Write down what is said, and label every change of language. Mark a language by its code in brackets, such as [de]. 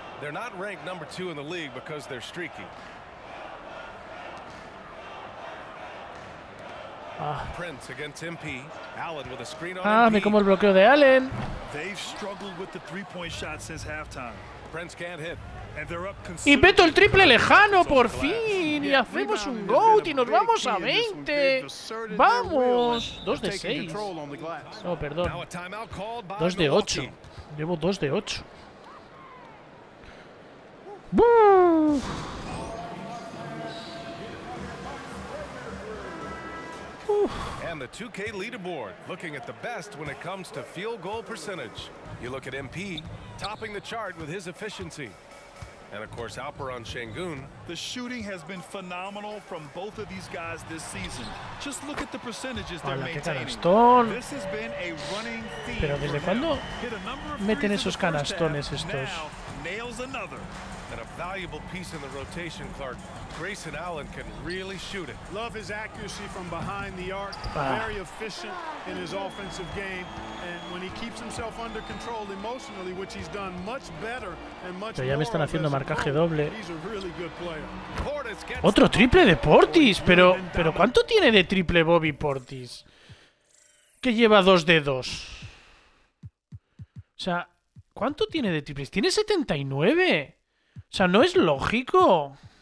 [en] They're not ranked number two in the league because they're streaky. Prince against MP. Allen with a screen on. [es] Ah, me como el bloqueo de Allen. [en] They've struggled with the three-point shot since halftime. Prince can't hit. And they're up considerably. [es] Y meto el triple lejano por fin. Y hacemos un goat y nos vamos a 20. Vamos. 2 de 6. No, perdón. 2 de 8. Llevo 2 de 8. ¡Buf! [en] And the 2K leaderboard, looking at the best when it comes to field goal percentage. You look at MP, topping the chart with his efficiency. And of course, Alperen Şengün. The shooting has been phenomenal from both of these guys this season. Just look at the percentages they're maintaining. This has been a running theme. [es] Pero desde cuando meten esos canastones estos. [en] Nails another. And a valuable piece in the rotation, Clark. Grayson Allen can really shoot it. Love his accuracy from behind the arc. Very efficient in his offensive game. And when he keeps himself under control emotionally, which he's done much better and much more. [es] Pero ya me están haciendo marcaje doble. [en] He's a really good player. [es] Otro triple de Portis. Pero ¿cuánto tiene de triple Bobby Portis? Que lleva 2 de 2. O sea, ¿cuánto tiene de triples? Tiene 79. O sea, no es lógico.